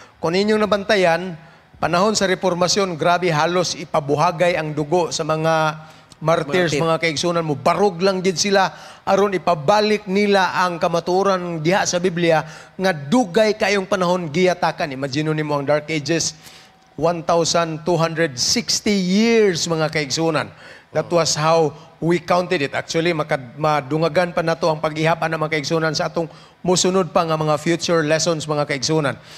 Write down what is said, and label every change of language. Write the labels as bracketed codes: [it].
[ceb] Kung inyong nabantayan, panahon sa reformasyon, grabe halos ipabuhagay ang dugo sa mga martyrs, mga kaigsoonan mo, barog lang din sila aron ipabalik nila ang kamatuoran diha sa Biblia nga dugay kayong panahon giyatakan. Imagine nimo ang Dark Ages, 1,260 years, mga kaigsoonan. [en] That was how we counted it. [ceb] Actually, madungagan pa na to ang pag-ihapan ng mga kaigsoonan sa atong musunod pa nga mga future lessons, mga kaigsoonan.